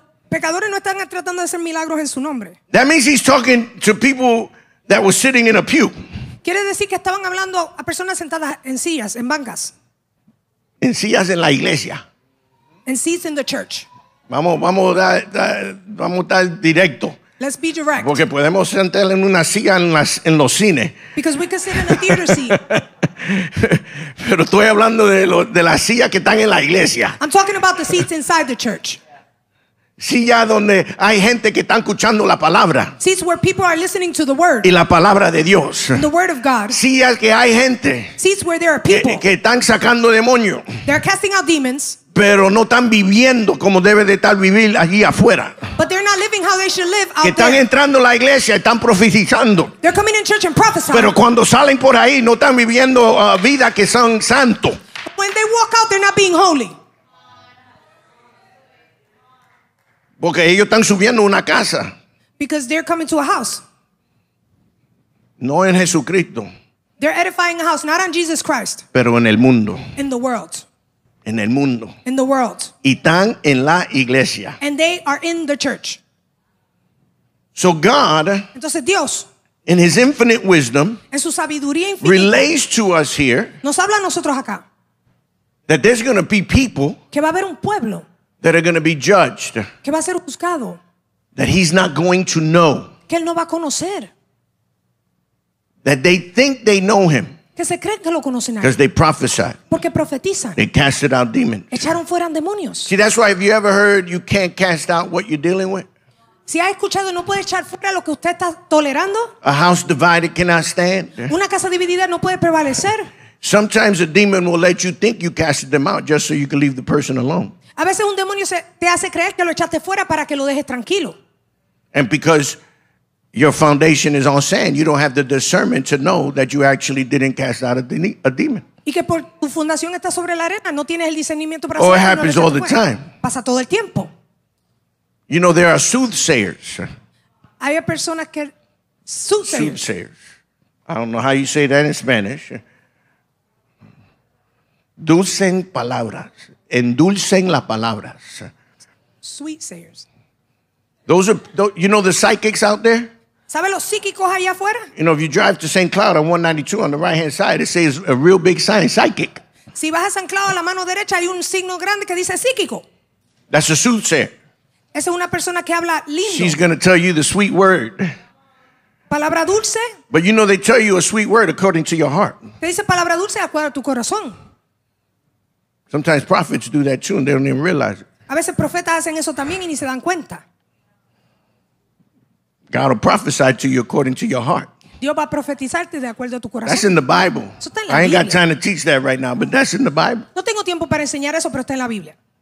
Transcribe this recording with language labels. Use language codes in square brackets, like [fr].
[es] Pecadores no están tratando de hacer milagros en su nombre. [en] That means he's talking to people that were sitting in a pew. [es] Quiere decir que estaban hablando a personas sentadas en sillas, en bancas. En sillas en la iglesia. [en] In seats in the church. [es] Vamos a dar directo. [en] Let's be direct. [es] Porque podemos sentar en una silla en los cines. [en] Because we can sit in a theater seat. [es] Pero estoy hablando de las sillas que están en la iglesia. [en] I'm talking about the seats inside the church. [es] Silla donde hay gente que está escuchando la palabra. [en] Seats where people are listening to the word. [es] Y la palabra de Dios. [en] And the word of God. [es] Sillas que hay gente. [en] Seats where there are people. [es] Que están sacando demonios. [en] They're casting out demons. [es] Pero no están viviendo como debe de estar vivir allí afuera. [en] But they're not living how they should live out there. [es] Que están [en] there. [es] Entrando a la iglesia, están profetizando. [en] They're coming in church and prophesying. [es] Pero cuando salen por ahí, no están viviendo vida que son santo. [en] When they walk out, they're not being holy. [es] Porque ellos están subiendo una casa. [en] Because they're coming to a house. [es] No en Jesucristo. [en] They're edifying a house, not on Jesus Christ. [es] Pero en el mundo. [en] In the world. [es] En el mundo. [en] In the world. [es] Y están en la iglesia. [en] And they are in the church. So God. [es] Entonces Dios. [en] In his infinite wisdom. [es] En su sabiduría infinita. [en] Relates to us here. [es] Nos habla a nosotros acá. [en] That there's going to be people. [es] Que va a haber un pueblo. [en] That are going to be judged. [es] Que va a ser juzgado. [en] That he's not going to know. [es] Que él no va a conocer. [en] That they think they know him. [es] Que se creen que lo conocen a él. [en] Because they prophesy. [es] Porque profetizan. [en] They casted out demons. [es] Echaron fuera demonios. [en] See, that's why if you ever heard you can't cast out what you're dealing with. [es] Si ha escuchado no puede echar fuera lo que usted está tolerando. [en] A house divided cannot stand. [es] Una casa dividida no puede prevalecer. [en] Sometimes a demon will let you think you cast them out just so you can leave the person alone. [es] A veces un demonio te hace creer que lo echaste fuera para que lo dejes tranquilo. [en] And because your foundation is on sand, you don't have the discernment to know that you actually didn't cast out a demon. [es] Y que por tu fundación está sobre la arena, no tienes el discernimiento para saber que lo echaste fuera. [en] Or it happens all the time. [es] Pasa todo el tiempo. [en] You know, there are soothsayers. [es] Hay personas que... Soothsayers. [en] I don't know how you say that in Spanish. [es] Dulcen palabras. Endulcen las palabras. [en] Sweet sayers. Those are, you know the psychics out there? [es] ¿Sabe los psíquicos allá afuera? [en] You know, if you drive to St. Cloud on 192 on the right-hand side, it says a real big sign, psychic. [es] Si vas a San Cloud a la mano derecha, hay un signo grande que dice psíquico. [en] That's a soothsayer. [es] Esa es una persona que habla lindo. [en] She's going to tell you the sweet word. [es] Palabra dulce. [en] But you know they tell you a sweet word according to your heart. [es] Te dice palabra dulce de acuerdo a tu corazón. [en] Sometimes prophets do that too and they don't even realize it. [es] A veces profetas hacen eso también y ni se dan cuenta. [en] God will prophesy to you according to your heart. [es] Dios va a profetizarte de acuerdo a tu corazón. [en] That's in the Bible. [es] Eso está en la [en] Biblia. I ain't got time to teach that right now, but that's in the Bible. [es] No tengo tiempo para enseñar eso, pero está en la Biblia.